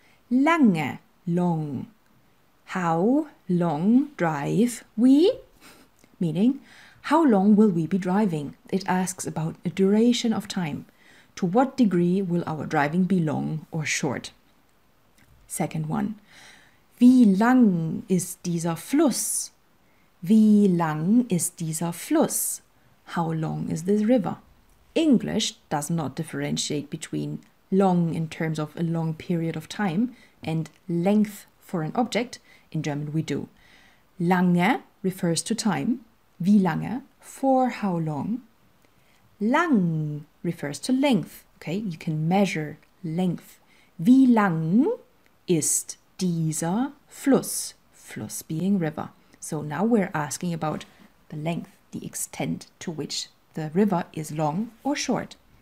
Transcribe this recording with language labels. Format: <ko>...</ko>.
<en>Lange, long. How long drive we? Meaning, how long will we be driving? It asks about a duration of time. To what degree will our driving be long or short? Second one.</en> <de>Wie lang ist dieser Fluss? Wie lang ist dieser Fluss?</de> <en>How long is this river? English does not differentiate between long in terms of a long period of time and length for an object. In German we do. Lange refers to time.</en> <de>Wie lange?</de> <en>For how long? Lang refers to length. Okay, you can measure length.</en> <de>Wie lang ist dieser Fluss?</de> <en>Fluss being river. So now we're asking about the length, the extent to which the river is long or short.</en>